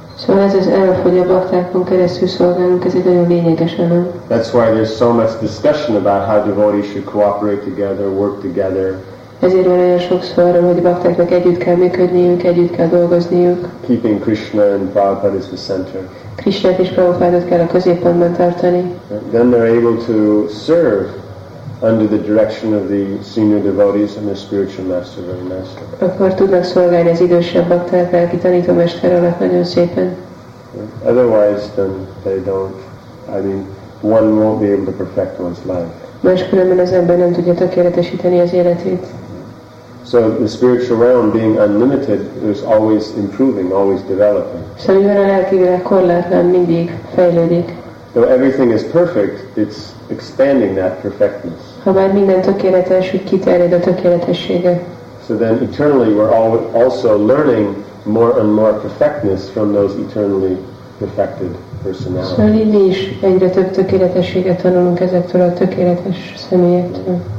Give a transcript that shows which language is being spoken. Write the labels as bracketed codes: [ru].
[hu] Szóval ez az elv, hogy a baktákon keresztül szolgálunk, ez egy nagyon lényeges elem. [en] That's why there's so much discussion about how devotees should cooperate together, work together. [hu] Ezért van olyan sokszor, hogy baktáknak együtt kell működniük, együtt kell dolgozniuk. [en] Keeping Krishna and Prabhupada as the center. [hu] Krishnát és Prabhupádot kell a középpontban tartani. [en] Then they're able to serve under the direction of the senior devotees and the spiritual master very nicely. [hu] Akkor tudnak szolgálni az idősebb bakták, lelki tanítómester alatt nagyon szépen. [en] Otherwise, then they don't. I mean, one won't be able to perfect one's life. [hu] Máskülönben az ember nem tudja tökéletesíteni az életét. [en] So the spiritual realm being unlimited is always improving, always developing. [hu] So mivel a lelki világ korlátlan, mindig fejlődik. [en] Though everything is perfect, it's expanding that perfectness. [hu] Ha már minden tökéletes, hogy kiterjed a tökéletessége. [en] So then eternally we're also learning more and more perfectness from those eternally perfected personalities. [hu] So mi is egyre több tökéletességet tanulunk ezektől a tökéletes személyektől.